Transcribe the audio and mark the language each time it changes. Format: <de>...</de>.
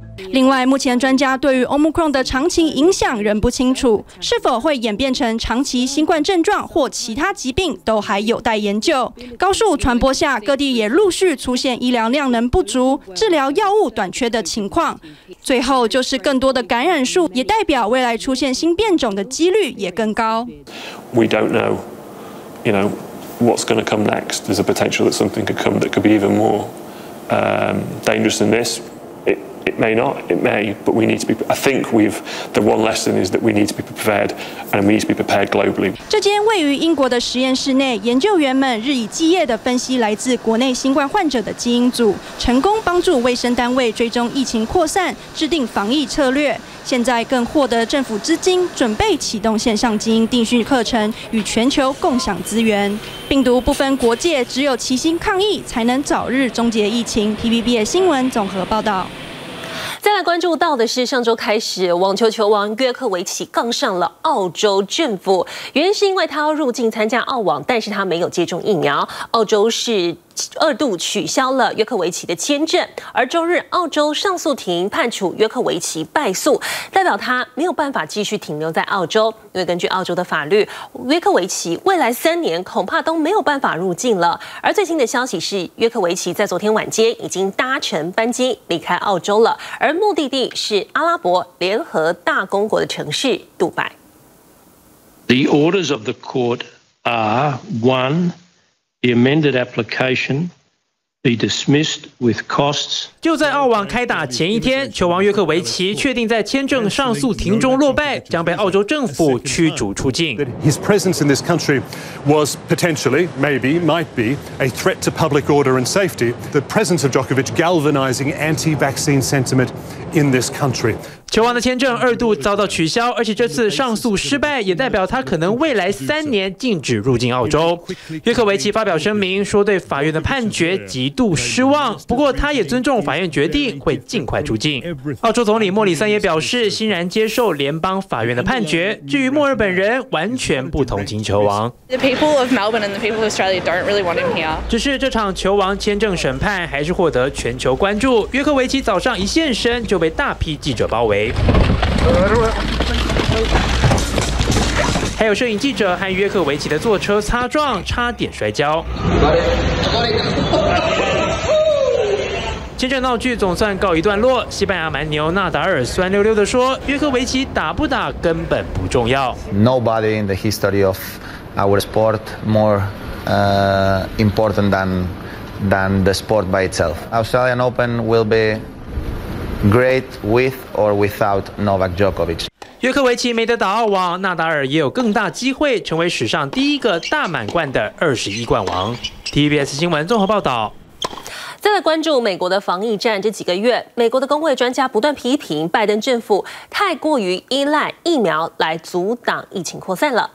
<zh>另外，目前专家对于 Omicron 的长期影响仍不清楚，是否会演变成长期新冠症状或其他疾病都还有待研究。高速传播下，各地也陆续出现医疗量能不足、治疗药物短缺的情况。最后，就是更多的感染数，也代表未来出现新变种的几率也更高。</zh> <en>We don't know, you know, what's going to come next. There's a potential that something could come that could be even more. Dangerous than this, it may not, it may, but we need to be. I think we've the one lesson is that we need to be prepared, and we need to be prepared globally.</en> <zh>这间位于英国的实验室内，研究员们日以继夜地分析来自国内新冠患者的基因组，成功帮助卫生单位追踪疫情扩散，制定防疫策略。现在更获得政府资金，准备启动线上基因定序课程，与全球共享资源。病毒不分国界，只有齐心抗疫，才能早日终结疫情。 TVBS 新闻综合报道。再来关注到的是，上周开始，网球球王约克维奇杠上了澳洲政府，原因是因为他要入境参加澳网，但是他没有接种疫苗，澳洲是二度取消了约克维奇的签证。而周日澳洲上诉庭判处约克维奇败诉，代表他没有办法继续停留在澳洲，因为根据澳洲的法律，约克维奇未来三年恐怕都没有办法入境了。而最新的消息是，约克维奇在昨天晚间已经搭乘班机离开澳洲了，而目的地是阿拉伯联合大公国的城市杜拜。</zh> <en>The orders of the court are one,The amended application be dismissed with costs.</en> <zh>就在澳网开打前一天，球王约克维奇确定在签证上诉庭中落败，将被澳洲政府驱逐出境。</zh> <en>His presence in this country was potentially, maybe, might be a threat to public order and safety. The presence of Djokovic galvanizing anti-vaccine sentiment in this country.</en> <zh>球王的签证二度遭到取消，而且这次上诉失败也代表他可能未来三年禁止入境澳洲。约克维奇发表声明说对法院的判决极度失望，不过他也尊重法院决定，会尽快出境。澳洲总理莫里森也表示欣然接受联邦法院的判决，至于墨尔本人完全不同情球王。</zh> <en>The people of Melbourne and the people of Australia don't really want him here.</en> <zh>只是这场球王签证审判还是获得全球关注，约克维奇早上一现身就被大批记者包围。还有摄影记者和约克维奇的坐车擦撞，差点摔跤。签证闹剧总算告一段落，西班牙蛮牛纳达尔酸溜溜地说，约克维奇打不打根本不重要。</zh> <en>Nobody in the history of our sport more important than the sport by itself. Australian Open will beGreat with or without Novak Djokovic.</en> <zh>约克维奇没得打澳网，纳达尔也有更大机会成为史上第一个大满贯的21冠王。 TVBS 新闻综合报道。再来关注美国的防疫战，这几个月美国的工卫专家不断批评拜登政府太过于依赖疫苗来阻挡疫情扩散了。</zh>